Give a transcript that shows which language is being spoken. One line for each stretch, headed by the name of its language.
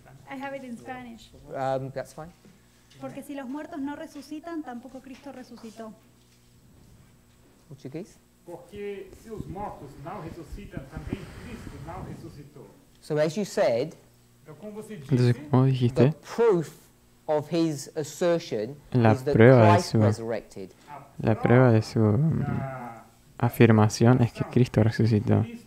English: I have it in Spanish. That's fine.
Spanish: Porque si los muertos no resucitan, tampoco Cristo resucitó.
English: Portuguese?
Spanish: Porque si los muertos no resucitan, también Cristo no resucitó.
English: So as you said,
Spanish: entonces, como dijiste,
English: the proof of his assertion is that Christ resurrected.
Spanish: La prueba de su afirmación es que Cristo resucitó.